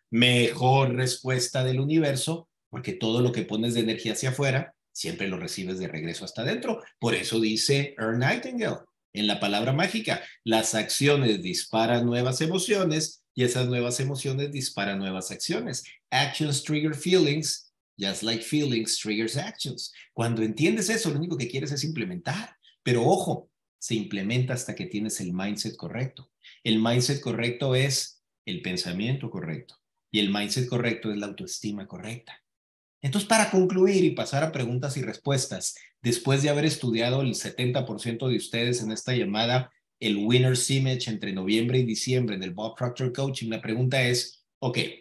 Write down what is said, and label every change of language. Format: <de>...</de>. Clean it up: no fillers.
<es>Mejor respuesta del universo, porque todo lo que pones de energía hacia afuera, siempre lo recibes de regreso hasta adentro. Por eso dice Earl Nightingale, en la palabra mágica, las acciones disparan nuevas emociones y esas nuevas emociones disparan nuevas acciones.</es> <en>Actions trigger feelings, just like feelings triggers actions.</en> <es>Cuando entiendes eso, lo único que quieres es implementar. Pero ojo, se implementa hasta que tienes el mindset correcto. El mindset correcto es el pensamiento correcto. Y el mindset correcto es la autoestima correcta. Entonces, para concluir y pasar a preguntas y respuestas, después de haber estudiado el 70% de ustedes en esta llamada, el Winner's Image entre noviembre y diciembre del Bob Proctor Coaching, la pregunta es, ok,</es>